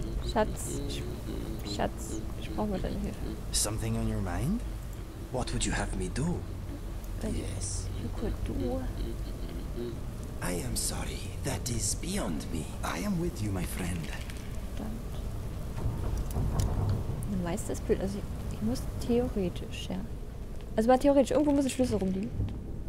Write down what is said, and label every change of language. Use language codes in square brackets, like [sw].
[de] Schatz, Schatz, ich brauche mal deine Hilfe. [en] Something on your mind? What would you have me do? Yes. You could do. I am sorry, that is beyond me. I am with you, my friend. [de] Verdammt. Ein meistes Bild, also ich muss theoretisch, ja. Also mal theoretisch, irgendwo muss ein Schlüssel rumliegen.